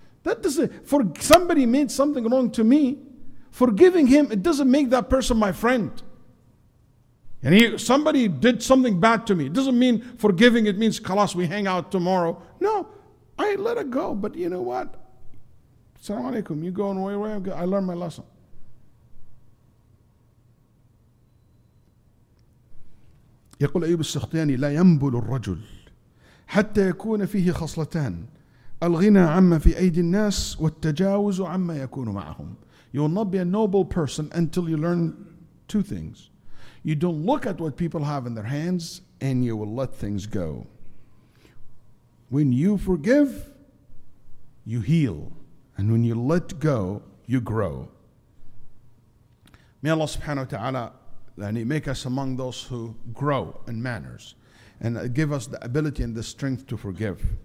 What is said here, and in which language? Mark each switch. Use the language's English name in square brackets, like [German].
[English] That doesn't, for somebody made something wrong to me, forgiving him, it doesn't make that person my friend. And somebody did something bad to me. It doesn't mean forgiving, it means, khalas, we hang out tomorrow. No, I let it go, but you know what? Assalamu alaikum, you go on way, way, I learned my lesson. [Arabic] يقول أيوب السختياني لا ينبل الرجل حتى يكون فيه خصلتان الغنى عما في أيدي الناس والتجاوز عما يكون معهم. [English] You will not be a noble person until you learn two things. You don't look at what people have in their hands and you will let things go. When you forgive, you heal. And when you let go, you grow. May Allah subhanahu wa ta'ala and he make us among those who grow in manners and give us the ability and the strength to forgive.